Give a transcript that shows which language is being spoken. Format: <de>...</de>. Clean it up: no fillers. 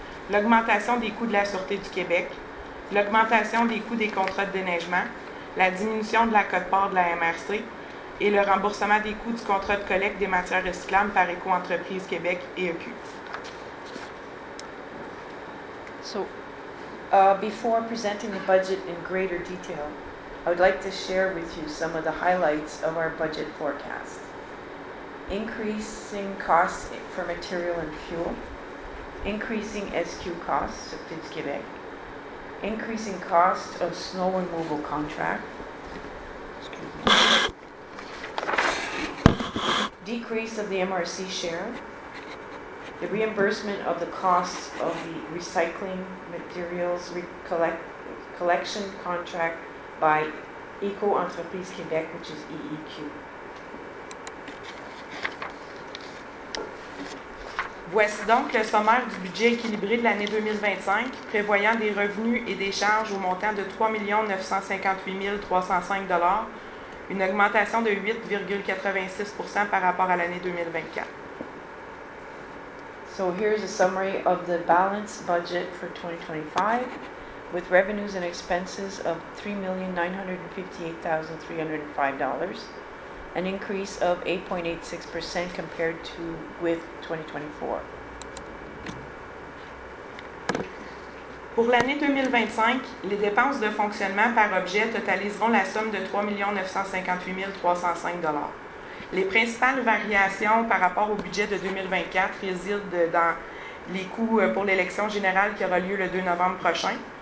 <fr>l'augmentation des coûts de la Sûreté du Québec, l'augmentation des coûts des contrats de déneigement, la diminution de la quote-part de la MRC et le remboursement des coûts du contrat de collecte des matières recyclables par Éco-entreprise Québec et EQ.</fr> <en>Before presenting the budget in greater detail, I would like to share with you some of the highlights of our budget forecast. Increasing costs for material and fuel, increasing SQ costs of Fitz Québec, increasing cost of snow removal contract, decrease of the MRC share, the reimbursement of the costs of the recycling materials collection contract by Éco-entreprise Québec, which is EEQ.</en> <fr>Voici donc le sommaire du budget équilibré de l'année 2025, prévoyant des revenus et des charges au montant de 3 958 305 $, une augmentation de 8,86% par rapport à l'année 2024.</fr> <en>So here's a summary of the balanced budget for 2025, with revenues and expenses of $3,958,305, an increase of 8.86% compared to with 2024.</en> <fr>Pour l'année 2025, les dépenses de fonctionnement par objet totaliseront la somme de $3,958,305. Les principales variations par rapport au budget de 2024 résident dans les coûts pour l'élection générale qui aura lieu le 2 novembre prochain.</fr>